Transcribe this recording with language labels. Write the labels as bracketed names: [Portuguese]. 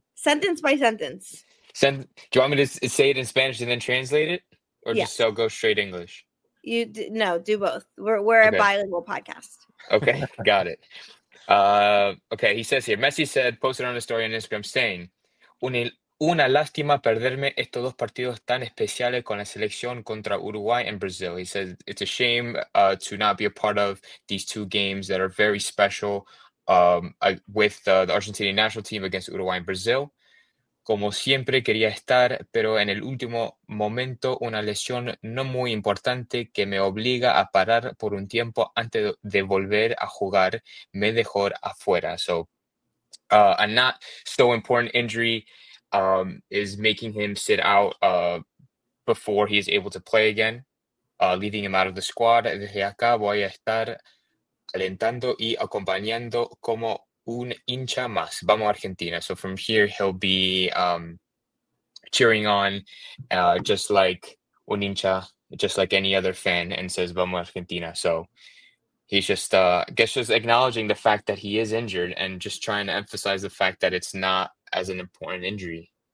[English] Sentence by sentence. Do you want me to say it in Spanish and then translate it? Or yes. Just so go straight English? Do both. We're okay. A bilingual podcast. Okay, got it. Okay, he says here, Messi said, posted on a story on Instagram saying, [Spanish] Una lástima perderme estos dos partidos tan especiales con la selección contra Uruguay and Brazil. [English] He says, it's a shame to not be a part of these two games that are very special with the Argentinian national team against Uruguay and Brazil. [Spanish] Como siempre quería estar, pero en el último momento una lesión no muy importante que me obliga a parar por un tiempo antes de volver a jugar me dejó afuera. [English] So, a not so important injury is making him sit out before he is able to play again, leaving him out of the squad. [Spanish] Desde acá voy a estar alentando y acompañando como un hincha más. Vamos a Argentina. [English] So from here, he'll be cheering on just like [Spanish] un hincha, [English] just like any other fan, and says, [Spanish] vamos a Argentina. [English] So he's just, I guess, just acknowledging the fact that he is injured and just trying to emphasize the fact that it's not as an important injury.